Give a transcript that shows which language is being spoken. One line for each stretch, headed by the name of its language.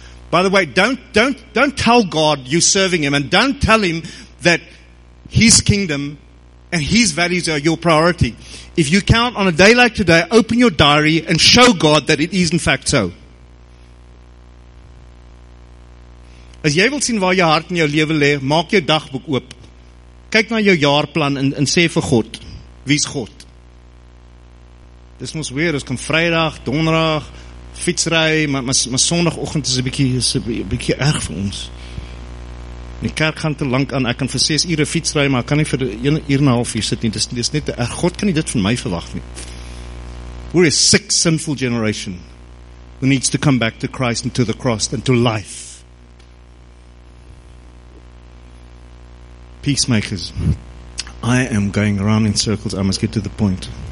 English: By the way, don't tell God you're serving Him, and don't tell Him that His kingdom and His values are your priority. If you count on a day like today, open your diary and show God that it is in fact so.
Afrikaans: As jy wil sien waar jou hart in jou lewe lê, maak jou dagboek oop. Kyk na jou jaarplan en sê vir God, wie's God? Dis mos weer, ons kan Vrydag, Donderdag, fietsry, maar Sondagoggend is 'n bietjie erg vir ons. Die kerk gaan te lank aan, ek kan vir 6 ure fietsry, maar ek kan nie vir 1 uur en 'n half hier sit nie, dis net, God kan nie dit van my verwag nie.
English: We're a sick, sinful generation who needs to come back to Christ and to the cross and to life. Peacemakers, I am going around in circles, I must get to the point.